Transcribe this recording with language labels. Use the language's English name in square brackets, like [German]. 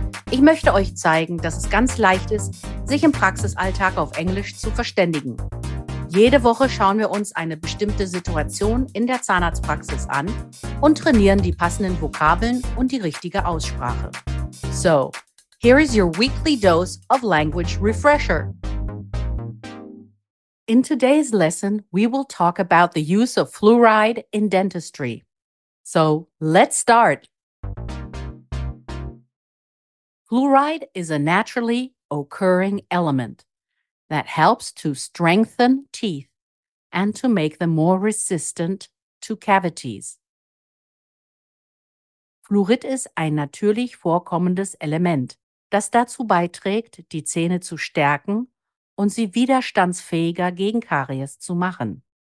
[German] Ich möchte euch zeigen, dass es ganz leicht ist, sich im Praxisalltag auf Englisch zu verständigen. Jede Woche schauen wir uns eine bestimmte Situation in der Zahnarztpraxis an und trainieren die passenden Vokabeln und die richtige Aussprache. [English] So, here is your weekly dose of language refresher. In today's lesson, we will talk about the use of fluoride in dentistry. So, let's start! Fluoride is a naturally occurring element that helps to strengthen teeth and to make them more resistant to cavities. [German] Fluorid ist ein natürlich vorkommendes Element, das dazu beiträgt, die Zähne zu stärken und sie widerstandsfähiger gegen Karies zu machen.